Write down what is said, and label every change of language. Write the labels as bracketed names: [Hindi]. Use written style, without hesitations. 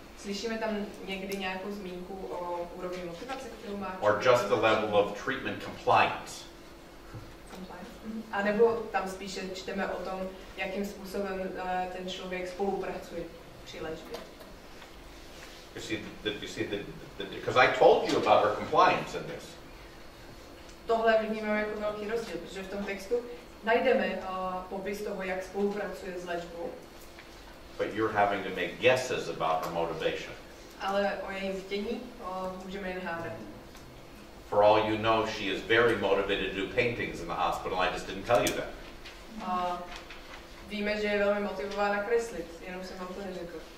[Czech] Slyšíme tam někdy nějakou zmínku o úrovni motivace, kterou má? [English] Or just the level of treatment compliance? [Czech] A nebo tam spíše čteme o tom, jakým způsobem ten člověk spolupracuje při léčbě? [English] You see, because I told you about her compliance in this. [Czech] Tohle vidíme jako velký rozdíl, protože v tom textu najdeme popis toho, jak spolupracuje s léčbou. [English] But you're having to make guesses about her motivation. [Czech] Ale o jejím chtění můžeme jen hádat. [English] For all you know, she is very motivated to do paintings in the hospital. I just didn't tell you that. [Czech] Víme, že je velmi motivovaná kreslit, jenom jsem vám to neřekl.